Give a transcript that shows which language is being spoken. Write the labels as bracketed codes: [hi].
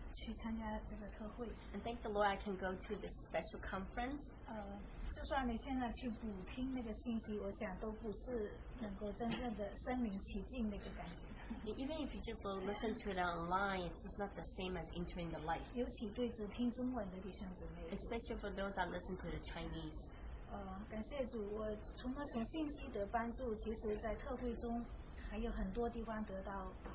[en] And thank the Lord I can go to this special conference. [zh] 就算每天呢去补听那个信息，我想都不是能够真正的身临其境那个感觉。 [en] Even if you just listen to it online, it's just not the same as entering the life. [zh] 尤其对着听中文的弟兄姊妹。 [en] Especially for those that listen to the Chinese. [zh] 感谢主，我除了从信息的帮助，其实在特会中还有很多地方得到。